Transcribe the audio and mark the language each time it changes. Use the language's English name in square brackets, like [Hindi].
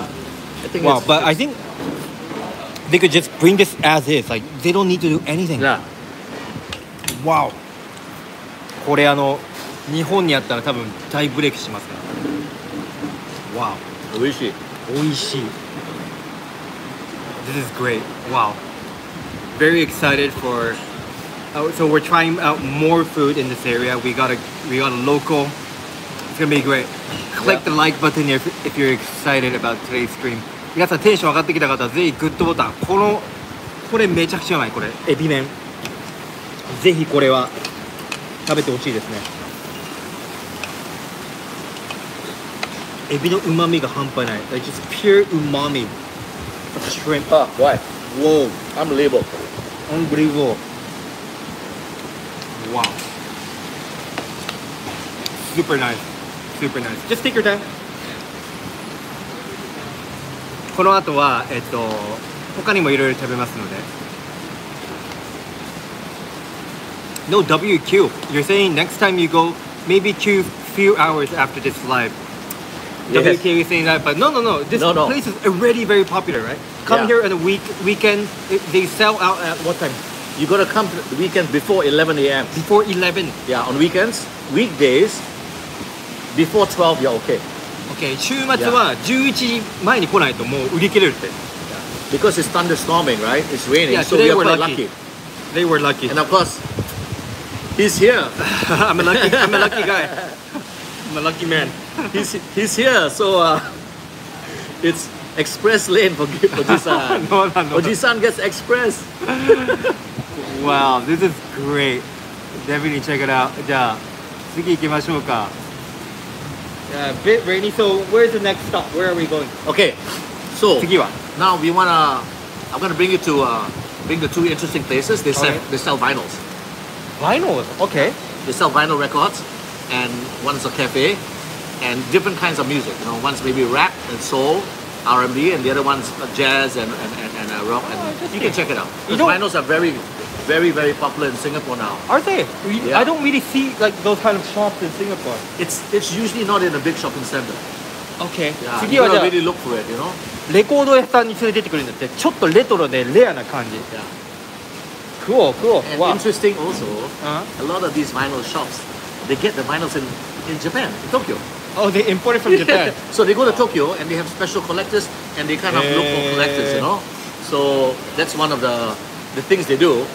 [English] I think they could just bring this as is. Like, they don't need to do anything. Yeah. Wow. [Japanese] これあの日本にあったら多分大ブレイクしますから。 [English] Wow. [Japanese] 美味しい。美味しい。 [English] This is great. Wow. Very excited for. So we're trying out more food in this area. We got a local. It's gonna be great. click the like button if you're excited about today's stream. [Japanese] 皆さんテンション上がってきた方はぜひグッドボタン。このこれめちゃくちゃうまい。これエビ麺、ぜひこれは食べてほしいですね。エビの旨味が半端ない。 [English] It's just pure umami shrimp. Ah, why? Whoa, unbelievable. Unbelievable. Wow. Super nice. Super nice. Just take your time. [Japanese] この後は、他にもいろいろ食べますので。 [English] No WQ. You're saying next time you go, maybe two few hours after this live. Yes. WK is saying that, but no. This place is already very popular, right? Come here on a weekend, they sell out at what time? You gotta come to the weekend before 11 a.m. Before 11? Yeah, on weekends, weekdays, before 12, you're okay. [Japanese] Okay, 週末は11時前に来ないともう売り切れるって。 [English] Because it's thunderstorming, right? It's raining, so we are quite lucky. They were lucky. And of course, he's here. I'm a lucky guy. I'm a lucky man. He's here, so it's express lane for Ghib.ojisan. Ghib.ojisan gets express. Wow, this is great. Definitely check it out. [Japanese] じゃあ次行きましょうか。 [English] Yeah, a bit rainy, so where's the next stop? Where are we going? Okay, so [Japanese] 次は? [English] Now I'm gonna bring you to bring the two interesting places. They sell, they sell vinyls. Vinyls? Okay. They sell vinyl records, and one's a cafe. And different kinds of music, you know, one's maybe rap and soul, R&B, and the other one's jazz and rock. And you can check it out. The vinyls are very, very, very popular in Singapore now. Are they? Yeah. I don't really see like those kind of shops in Singapore. It's usually not in a big shopping center. Okay. Yeah, you gotta really look for it, you know. [Japanese] レコード屋さんに連れてってくるんだって。ちょっとレトロでレアな感じ。 [English] Yeah. Cool. And wow. Interesting also, a lot of these vinyl shops, they get the vinyls in Japan, in Tokyo. Oh, they import it from Japan. So they go to Tokyo and they have special collectors and they kind of look for collectors, you know? So that's one of the things they do.